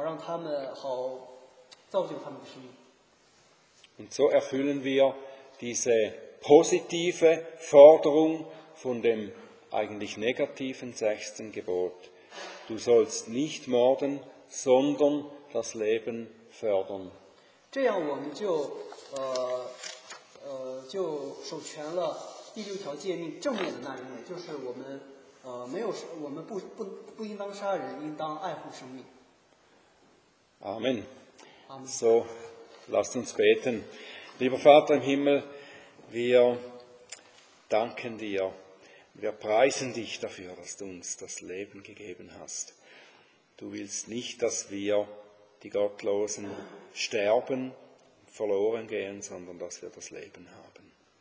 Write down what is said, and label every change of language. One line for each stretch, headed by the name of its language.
Chinese: 但是我们可以通过传讲耶稣基督的名，指教周围的人，生命在哪里，我们以及怎样可以得到永生，好让他们好造就他们的生命。
German: Und so erfüllen wir diese positive Forderung von dem eigentlich negativen sechsten Gebot. Du sollst nicht morden, sondern das Leben fördern.
Chinese: 这样我们就守全了第六条诫命正面的那一面，就是我们不应当杀人，应当爱护生命。
German: Amen. So, lasst uns beten. Lieber Vater im Himmel, wir danken dir, wir preisen dich dafür, dass du uns das Leben gegeben hast. Du willst nicht, dass wir, die Gottlosen, sterben, verloren gehen, sondern dass wir das Leben haben.